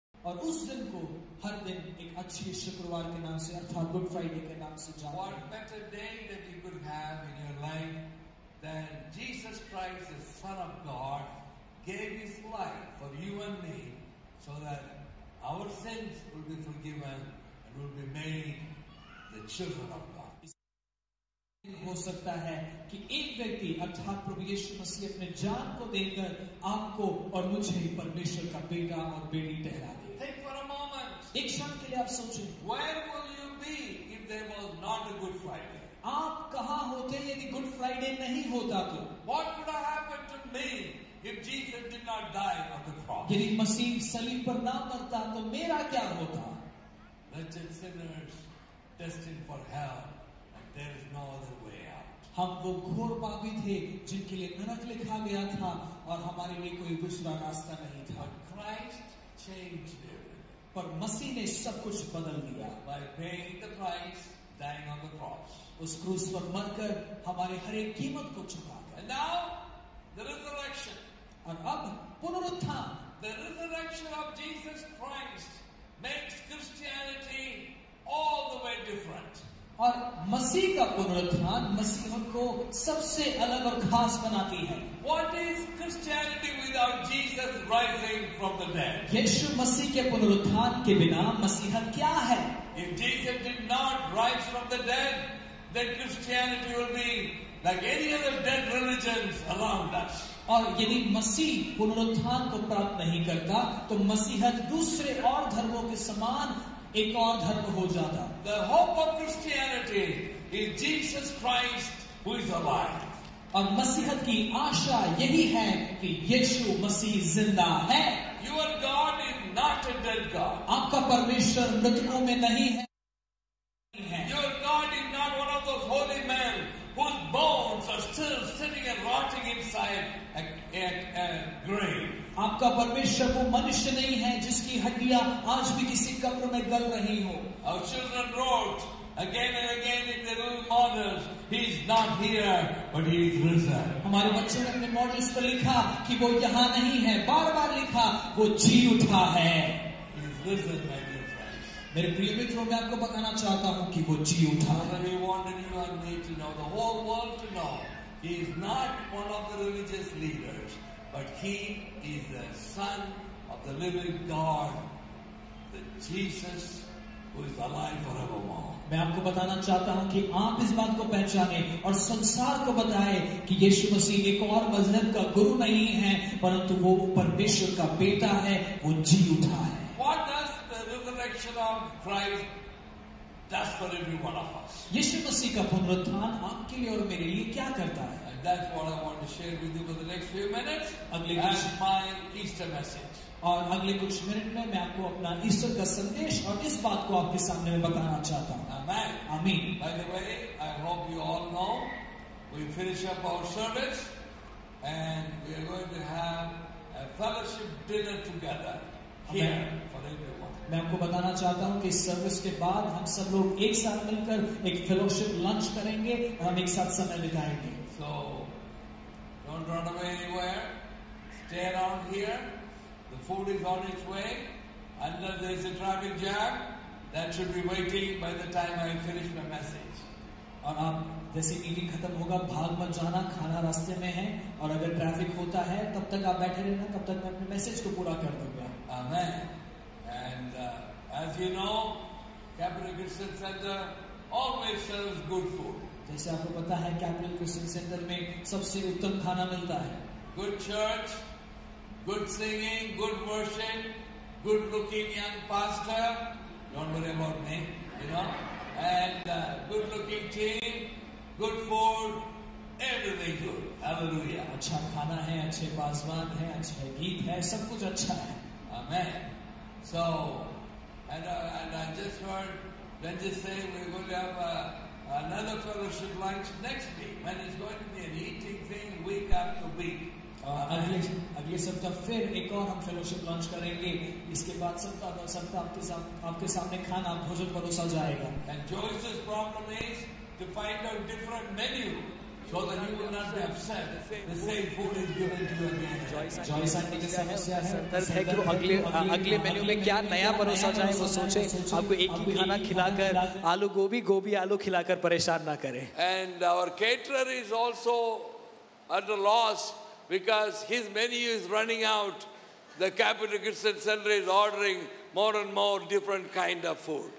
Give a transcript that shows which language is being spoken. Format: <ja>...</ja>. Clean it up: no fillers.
<hi>और उस दिन को हर दिन एक अच्छे शुक्रवार के नाम से अर्थात गुड फ्राइडे के नाम से जानते हैं.</hi> <en>What better day that you could have in your life than Jesus Christ, the Son of God, gave His life for you and me, so that our sins will be forgiven and will be made the children of God.</en> <hi>हो सकता है कि एक व्यक्ति अर्थात प्रभु यीशु मसीह अपने जान को देकर आपको और मुझे परमेश्वर का बेटा और बेटी ठहरा दे.</hi> <en>Think for a moment.</en> <hi>एक क्षण के लिए आप सोचें.</hi> <en>Where will you be if there was not a Good Friday?</en> <hi>आप कहां होते यदि गुड फ्राइडे नहीं होता तो?</hi> <en>What would have happened to me if Jesus did not die on the cross?</en> <hi>यदि मसीह सलीब पर ना मरता तो मेरा क्या होता?</hi> <en>Wretched sinners destined for hell. There is no other way out.</en> <hi>हम वो घोर पापी थे जिनके लिए नरक लिखा गया था और हमारे लिए कोई दूसरा रास्ता नहीं था.</hi> <en>But Christ changed everything.</en> <hi>पर मसीह ने सब कुछ बदल दिया.</hi> <en>By paying the price, dying on the cross.</en> <hi>उस क्रूस पर मरकर हमारे हर एक कीमत को चुकाकर.</hi> <en>And now the resurrection.</en> <hi>और अब पुनरुत्थान.</hi> <en>The resurrection of Jesus Christ makes Christianity all the way different.</en> <hi>और मसीह का पुनरुत्थान मसीहों को सबसे अलग और खास बनाती है.</hi> <en>What is Christianity without Jesus rising from the dead?</en> <hi>यीशु मसीह के पुनरुत्थान के बिना मसीहत क्या है?</hi> <en>If Jesus did not rise from the dead, then Christianity will be like any other dead religions around us.</en> <hi>और यदि मसीह पुनरुत्थान को प्राप्त नहीं करता, तो मसीहत दूसरे और धर्मों के समान एक और धर्म हो जाता.</hi> <en>The hope of Christianity is Jesus Christ who is alive.</en> <hi>और मसीहत की आशा यही है कि यीशु मसीह जिंदा है.</hi> <en>Your God is not a dead God.</en> <hi>आपका परमेश्वर मृतकों में नहीं है.</hi> <en>Your God is not one of those holy men whose bones are still sitting and rotting inside a grave.</en> <hi>आपका परमेश्वर वो मनुष्य नहीं है जिसकी हड्डियां आज भी किसी कब्र में गल रही हो.</hi> <en>Our children wrote again and again in their little models, he is not here, but he is risen.</en> <hi>हमारे बच्चों ने अपने मॉडल्स पर लिखा कि वो यहाँ नहीं है, बार बार लिखा वो जी उठा है.</hi> <en>He is risen, my dear friends.</en> <hi>मेरे प्रिय मित्रों, मैं आपको बताना चाहता हूँ कि वो जी उठा है.</hi> <en>He wanted you and me to know, the whole world to know, he is not one of the religious leaders, but he is the son of the living God, the Jesus who is alive forevermore.</en> <hi>मैं आपको बताना चाहता हूँ कि आप इस बात को पहचाने और संसार को बताएं कि यीशु मसीह एक और मजहब का गुरु नहीं है, परंतु वो परमेश्वर का बेटा है, वो जी उठा है.</hi> <en>What does the resurrection of Christ does for every one of us?</en> <hi>यीशु मसीह का पुनरुत्थान आपके लिए और मेरे लिए क्या करता है?</hi> <en>And that's what I want to share with you for the next few minutes as my Easter message.</en> <hi>और अगले कुछ मिनट में मैं आपको अपना ईस्टर का संदेश और इस बात को आपके सामने में बताना चाहता हूँ.</hi> <en>Amen. Amen. By the way, I hope you all know, we finish up our service and we are going to have a fellowship dinner together here. Amen. For everyone.</en> <hi>मैं आपको बताना चाहता हूँ कि इस सर्विस के बाद हम सब लोग एक साथ मिलकर एक फेलोशिप लंच करेंगे और हम एक साथ समय बिताएंगे.</hi> <en>So, don't run away anywhere. Stay around here. The food is on its way. Unless there is a traffic jam, that should be waiting by the time I finish my message.</en> <hi>और आप जैसे meeting खत्म होगा भाग मत जाना, खाना रास्ते में है, और अगर ट्रैफिक होता है तब तक आप बैठे रहना, तब तक मैं अपने मैसेज को पूरा कर दूंगा.</hi> <en>Amen. And as you know, Capital Christian Center always serves good food.</en> <hi>जैसे आपको पता है कैपिटल क्रिश्चियन सेंटर में सबसे उत्तम खाना मिलता है.</hi> <en>Good church, good singing, good worship, good looking young pastor, don't worry about me, you know, and good looking team, good food, everything good.</en> <hi>Hallelujah. अच्छा खाना है, अच्छे पासवान है, अच्छे गीत है, सब कुछ अच्छा है. आमेन.</hi> <en>So and I just heard Ranjit Singh, we will have another fellowship lunch next week, when it's going to be an eating thing week after week.</en> <hi>अगले सप्ताह फिर एक और हम fellowship lunch करेंगे. इसके बाद सप्ताह दर सप्ताह आपके सामने खाना भोजन परोसा जाएगा.</hi> <en>And Joyce's problem is to find out different menu so that you will not be upset. The same food is given to you again.</en> <hi>Joyce aunty की समस्या है कि वो अगले मेन्यू में क्या नया परोसा जाए, वो सोचे. आपको एक ही खाना खिलाकर आलू गोभी, गोभी आलू खिलाकर परेशान ना करें.</hi> <en>And our caterer is also at a loss because his menu is running out. The Capital Christian Center is ordering more and more different kind of food.</en>